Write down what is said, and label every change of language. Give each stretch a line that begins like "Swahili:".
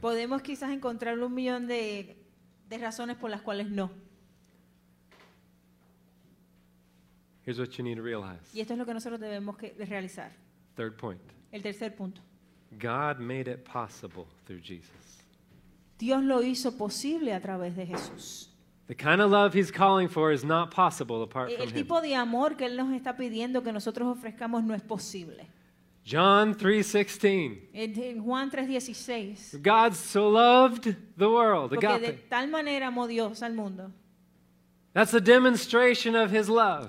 Spanish: Podemos quizás encontrar 1,000,000 de razones por las cuales no.
English: Here's what you need to realize.
Spanish: Y esto es lo que nosotros debemos de realizar.
English: Third point.
Spanish: El tercer punto.
English: God made it possible through Jesus.
Spanish: Dios lo hizo posible a través de Jesús.
English: The kind of love he's calling for is not possible apart from him.
Spanish: El tipo de amor que él nos está pidiendo que nosotros ofrezcamos no es posible.
English: John 3:16.
Spanish: En Juan 3:16.
English: God so loved the world.
Spanish: Porque de tal manera amó Dios al mundo.
English: That's a demonstration of his love.